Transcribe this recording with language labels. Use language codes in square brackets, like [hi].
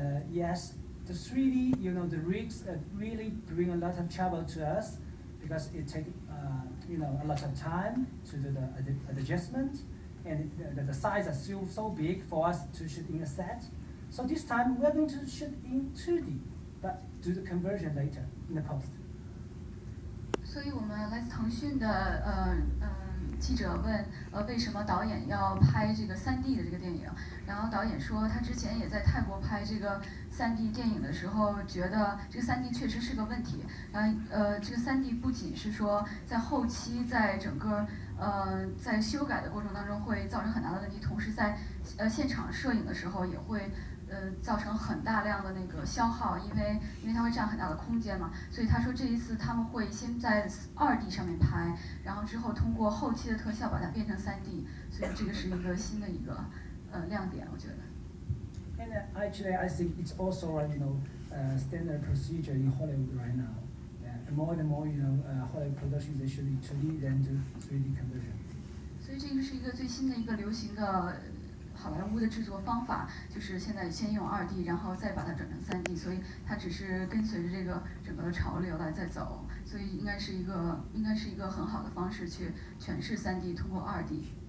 [en] Yes, the 3D, you know, the rigs really bring a lot of trouble to us because it takes, you know, a lot of time to do the adjustment, and the size are still so big for us to shoot in a set. So this time we're going to shoot in 2D, but do the conversion later in the post. [zh] 所以我们来自腾讯的记者问，为什么导演要拍这个 3D 的这个电影？然后导演说，他之前也在泰国拍这个 3D 电影的时候，觉得这个 3D 确实是个问题。这个 3D 不仅是说在后期，在整个在修改的过程当中会造成很大的问题，同时在现场摄影的时候也会造成很大量的那个消耗，因为它会占很大的空间嘛，所以他说这一次他们会先在 2D 上面拍，然后之后通过后期的特效把它变成 3D， 所以这个是一个新的一个亮点，我觉得。 [en] And actually, I think it's also standard procedure in Hollywood right now. Yeah, more and more, Hollywood productions they should be 2D than do 3D conversion. [zh] 所以这个是一个最新的一个流行的好莱坞的制作方法，就是现在先用 2D， 然后再把它转成 3D， 所以它只是跟随着这个整个的潮流来在走，所以应该是一个很好的方式去诠释 3D， 通过 2D。